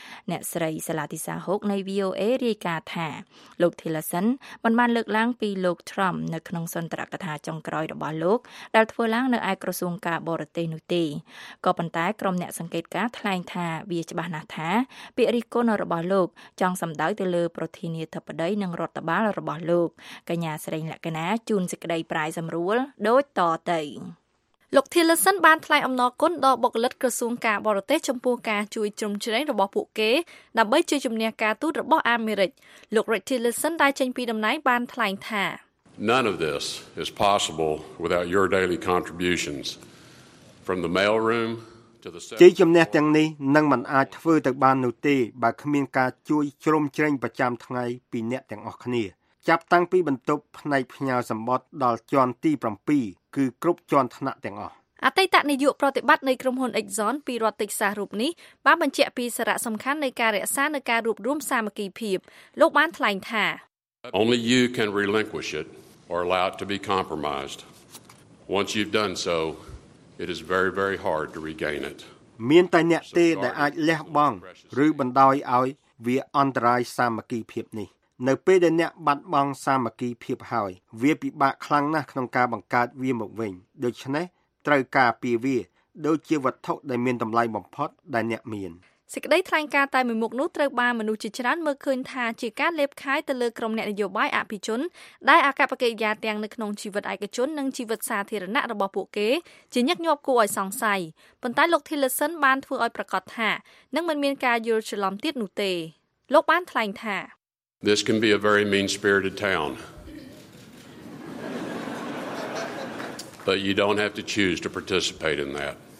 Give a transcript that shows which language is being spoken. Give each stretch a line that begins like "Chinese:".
Khmer: អ្នកស្រីសាឡាទីសាហុកនៃ VOA រាយការណ៍ថាលោក Tillerson មិនបានលើកឡើងពីលោក Trump នៅក្នុងសន្ទរកថាចុងក្រោយរបស់លោកដែលធ្វើឡើងនៅឯក្រសួងការបរទេសនោះទេក៏ប៉ុន្តែក្រុមអ្នកសង្កេតការថ្លែងថាវាច្បាស់ណាស់ថាពាក្យរិះគន់របស់លោកចង់សម្ដៅទៅលើប្រធានាធិបតីនិងរដ្ឋបាលរបស់លោកកញ្ញាស្រីលក្ខណាជូនសេចក្តីប្រាយសម្រួលដូចតទៅ លោក Tillerson បានថ្លែងអំណរគុណដល់បុគ្គលិកក្រសួងការបរទេសចំពោះការជួយជ្រោមជ្រែងរបស់ពួកគេដើម្បីជួយជំនះការទូតរបស់អាមេរិកលោក Rex Tillerson ដែលចេញពីដំណែងបានថ្លែងថា
English: None of this is possible without your daily contributions from the mailroom to the
Khmer: ជួយជំនះទាំងនេះនឹងមិនអាចធ្វើទៅបាននោះទេបើគ្មានការជួយជ្រោមជ្រែងប្រចាំថ្ងៃពីអ្នកទាំងអស់គ្នាចាប់តាំងពីបន្ទប់ផ្នែកផ្ញើសម្បត្តិដល់ជាន់ទី7គឺគ្រប់ជាន់ថ្នាក់ទាំងអស់អតីតនាយកប្រតិបត្តិនៃក្រុមហ៊ុន Exxon ពីរដ្ឋ Texas រូបនេះបានបញ្ជាក់ពីសារៈសំខាន់នៃការរក្សានៅការរួបរមសាមគ្គីភាពលោកបានថ្លែងថា
English: Only you can relinquish it or allow it to be compromised. Once you've done so, it is very very hard to regain it.
Khmer: មានតែអ្នកទេដែលអាចលះបង់ឬបណ្តោយឲ្យវាអន្តរាយសាមគ្គីភាពនេះនៅពេលដែលអ្នកបាត់បង់សាមគ្គីភាពហើយវាពិបាកខ្លាំងណាស់ក្នុងការបង្កើតវាមកវិញដូច្នេះត្រូវការពៀវាដូចជាវត្ថុដែលមានតម្លៃបំផុតដែលអ្នកមាន សេចក្តីថ្លែងការណ៍តែមួយមុខនោះត្រូវបានមនុស្សជាច្រើនមើលឃើញថាជាការលេបខាយទៅលើក្រុមអ្នកនយោបាយអភិជនដែលអាកប្បកិរិយាទាំងនៅក្នុងជីវិតឯកជននិងជីវិតសាធារណៈរបស់ពួកគេជាញឹកញាប់គួរឲ្យសង្ស័យប៉ុន្តែលោក Tillerson បានធ្វើឲ្យប្រកាសថានឹងមិនមានការយល់ច្រឡំទៀតនោះទេលោកបានថ្លែងថា
English: This can be a very mean-spirited town. But you don't have to choose to participate in that.